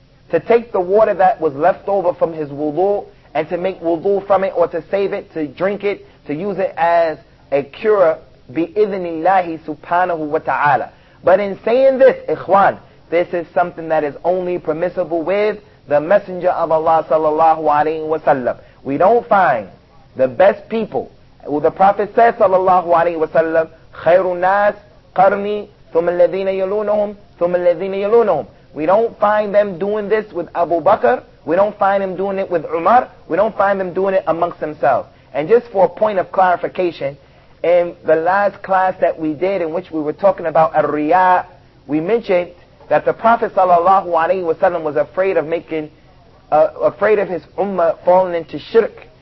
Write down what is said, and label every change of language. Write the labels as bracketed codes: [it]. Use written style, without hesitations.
[en] To take the water that was left over from his wudu and to make wudu from it, or to save it, to drink it, to use it as a cure. Bi-idhnillahi subhanahu wa ta'ala. But in saying this, ikhwan, this is something that is only permissible with the Messenger of Allah sallallahu alayhi wa sallam. We don't find the best people. Well, the Prophet says [ar] sallallahu alayhi wa sallam, خَيْرُ النَّاسِ قَرْنِي ثُمَ الَّذِينَ يَلُونَهُمْ ثُمَ الَّذِينَ يَلُونَهُمْ. [en] We don't find them doing this with Abu Bakr. We don't find them doing it with Umar. We don't find them doing it amongst themselves. And just for a point of clarification, in the last class that we did, in which we were talking about Ar-Riyah, we mentioned that the Prophet sallallahu alaihi wasallam was afraid of making, afraid of his ummah falling into shirk.